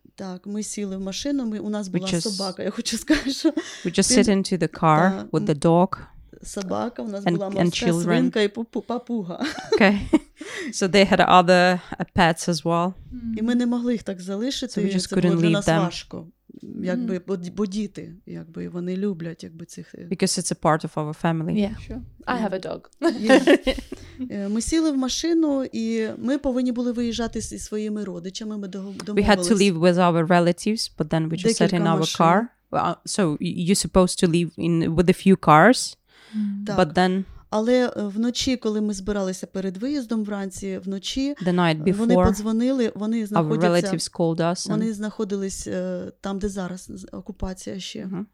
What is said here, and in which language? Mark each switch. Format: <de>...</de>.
<uk>Так, ми сіли в машину, у нас була собака, я хочу сказати, що...</uk> <en>We just sit into the car with the dog.</en> <uk>Собака, у нас була морська свинка і папуга.</uk> <en>Okay. So they had other pets as well.</en> <uk>І ми не могли їх так залишити, і це було для нас важко. Якби, бо діти, якби, вони люблять, якби, цих...</uk> <en>Because it's a part of our family. Yeah. Sure. I have a dog. Yeah.</en> <uk>Ми сіли в машину, і ми повинні були виїжджати зі своїми родичами, ми домовились.</uk> <en>We had to leave with our relatives, but then we just sat in our car. So you're supposed to leave with a few cars.</en> <uk>Так.</uk> <en>But then,</en> <uk>але вночі, коли ми збиралися перед виїздом вранці, вночі вони подзвонили, вони знаходились там, де зараз окупація ще.</uk>